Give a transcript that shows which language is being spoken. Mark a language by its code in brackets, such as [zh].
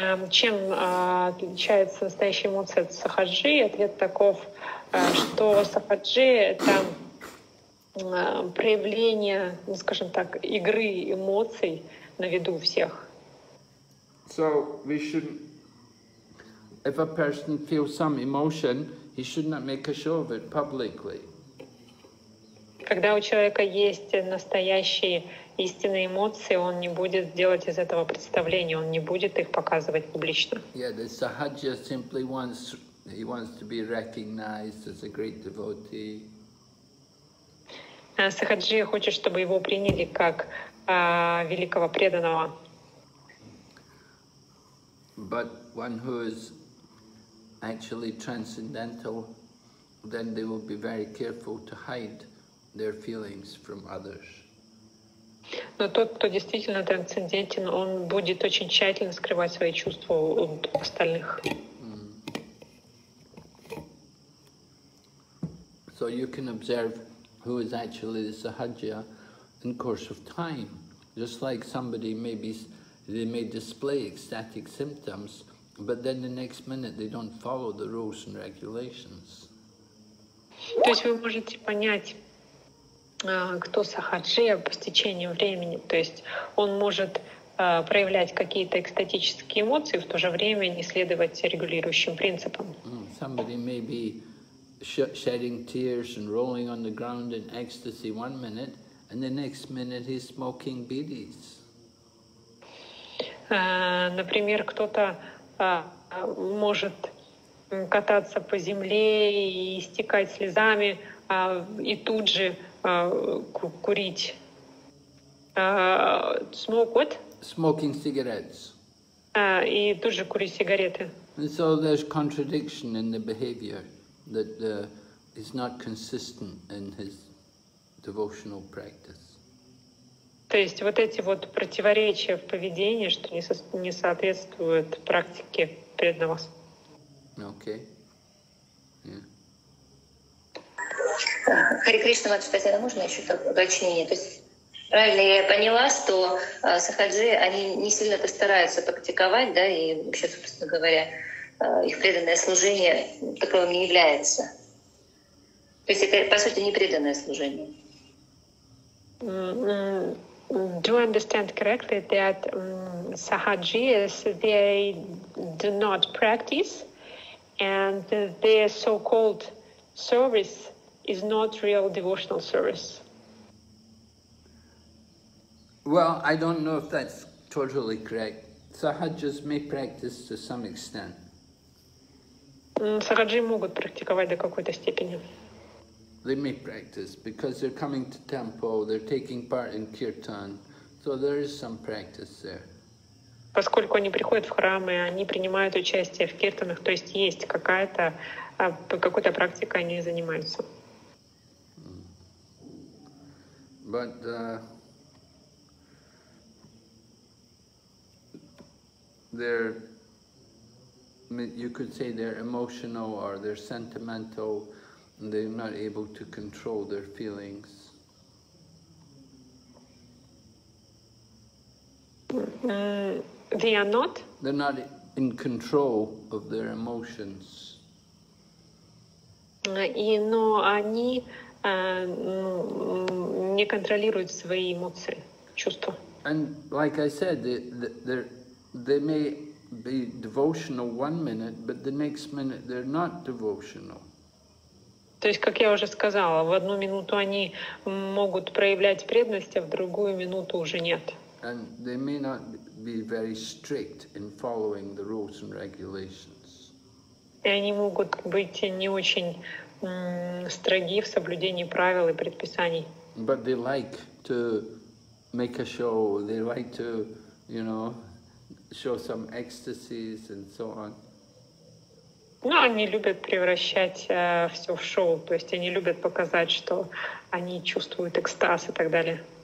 [ru] Чем отличается настоящая эмоция от сахаджи? Ответ таков, что сахаджи — это проявление, ну, скажем так, игры эмоций на виду всех. [en] So we should, if a person feels some emotion, he should not make a show of it publicly. [ru] Когда у человека есть настоящие истинные эмоции, он не будет делать из этого представления, он не будет их показывать публично. [en] Yeah, the sahaja simply wants, he wants to be recognized as a great devotee. [ru] Сахаджи хочет, чтобы его приняли как великого преданного. [en] But one who is actually transcendental, then they will be very careful to hide their feelings from others. [ru] Но тот, кто действительно трансцендентен, он будет очень тщательно скрывать свои чувства от остальных. [en] So you can observe who is actually the sahaja in course of time. Just like somebody maybe they may display ecstatic symptoms, but then the next minute they don't follow the rules and regulations. [ru] То есть вы можете понять, кто сахаджия по стечению времени. То есть он может проявлять какие-то экстатические эмоции, в то же время не следовать регулирующим принципам. [en] Somebody may be shedding tears and rolling on the ground in ecstasy one minute, and the next minute he's smoking bidis. [ru] Например, кто-то может кататься по земле и истекать слезами, и тут же курить. [en] Smoke what? Smoking cigarettes. [ru] И тут же курить сигареты. [en] And so there's contradiction in the behavior that is not consistent in his devotional practice. [ru] То есть вот эти вот противоречия в поведении, что не соответствуют практике преданного. [en] Okay. [ru] Харе Кришна, Матри Татьяна, можно еще такое уточнение? То есть правильно я поняла, что сахаджи, они не сильно-то стараются практиковать, да, и вообще, собственно говоря, их преданное служение таковым не является. То есть это, по сути, не преданное служение. [en] Do you understand correctly that sahajis, they do not practice, and their so-called service is not real devotional service? Well, I don't know if that's totally correct. Sahajas may practice to some extent. [ru] Sahajis могут практиковать до какой-то степени. [en] They may practice because they're coming to temple, they're taking part in kirtan, so there is some practice there. [ru] Поскольку они приходят в храм, и они принимают участие в киртанах, то есть есть какая-то, какой-то практикой они занимаются. [en] But you could say they're emotional or they're sentimental, and they're not able to control their feelings. They are not? They're not in control of their emotions. [ru] Но они не контролируют свои эмоции, чувства. [en] And like I said, they may be devotional one minute, but the next minute they're not devotional. [ru] То есть, как я уже сказала, в одну минуту они могут проявлять преданность, а в другую минуту уже нет. [en] And they may not be very strict in following the rules and regulations. [ru] И они могут быть не очень строги в соблюдении правил и предписаний. [en] But they like to make a show, they like to, you know, show some ecstasies and so on. [ru] Ну, они любят превращать все в шоу, то есть они любят показать, что они чувствуют экстаз и так далее.